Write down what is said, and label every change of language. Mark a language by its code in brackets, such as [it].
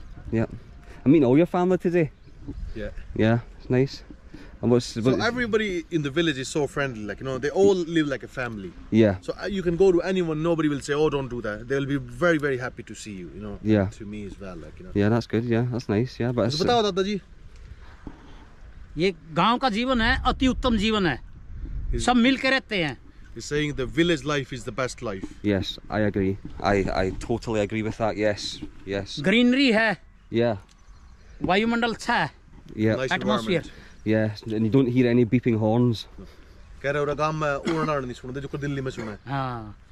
[en] Yeah. I mean, all your family today. Yeah. Yeah, it's nice. And what's everybody in the village is so friendly, like, you know, they all live like a family. Yeah. So you can go to anyone, nobody will say, oh, don't do that. They'll be very, very happy to see you, you know. Yeah. To me as well, like, you know. Yeah, that's good. Yeah, that's nice. Yeah, but so tell me, Dada ji. [hi] ये गांव का जीवन है अति उत्तम जीवन है सब मिलकर रहते हैं [en] He's saying the village life is the best life. Yes, I agree. I totally agree with that. Yes, yes. [hi] Greenery है. [en] Yeah. [hi] वायुमंडल अच्छा है. [en] Yeah. Nice atmosphere. Yes, and you don't hear any beeping horns. [hi] कह रहे हो गांव में उड़ना नहीं सुनते जो कि दिल्ली में सुना है. हाँ.